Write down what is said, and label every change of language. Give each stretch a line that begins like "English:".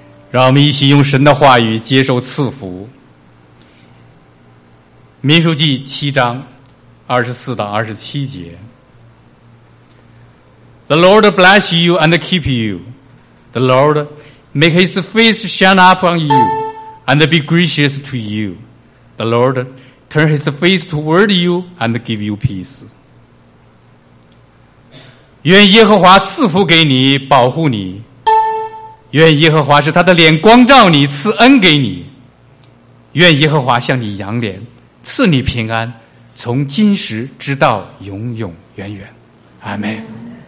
Chinese: 让我们一起用神的话语接受赐福。民数记七章24-27节
English: The Lord bless you and keep you. The Lord make his face shine upon you and be gracious to you. The Lord turn his face toward you and give you peace.
Chinese: 愿耶和华赐福给你，保护你。愿耶和华使他的脸光照你，赐恩给你。愿耶和华向你扬脸，赐你平安，从今时直到永永远远。阿门。